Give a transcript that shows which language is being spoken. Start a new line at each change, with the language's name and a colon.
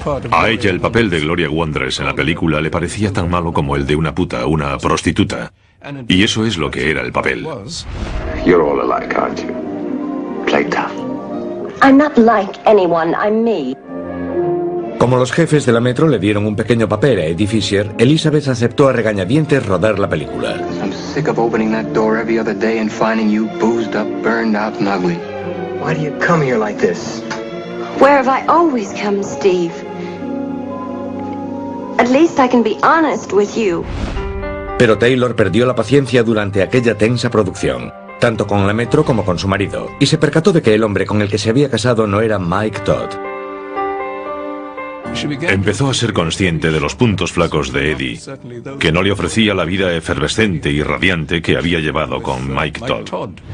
Spanish: A ella el papel de Gloria Wandress en la película le parecía tan malo como el de una puta, una prostituta. Y eso es lo que era el papel.
English: You're all alike, aren't you? Play tough. I'm not like anyone, I'm me.
Spanish: Como los jefes de la Metro le dieron un pequeño papel a Eddie Fisher, Elizabeth aceptó a regañadientes rodar la película.
English: I'm sick of opening that door every other day and finding you boozed up, burned out and ugly. Why do you come here like this? Where have I always come, Steve? At least I can be honest with you.
Spanish: Pero Taylor perdió la paciencia durante aquella tensa producción, tanto con la Metro como con su marido, y se percató de que el hombre con el que se había casado no era Mike Todd. Empezó a ser consciente de los puntos flacos de Eddie, que no le ofrecía la vida efervescente y radiante que había llevado con Mike Todd.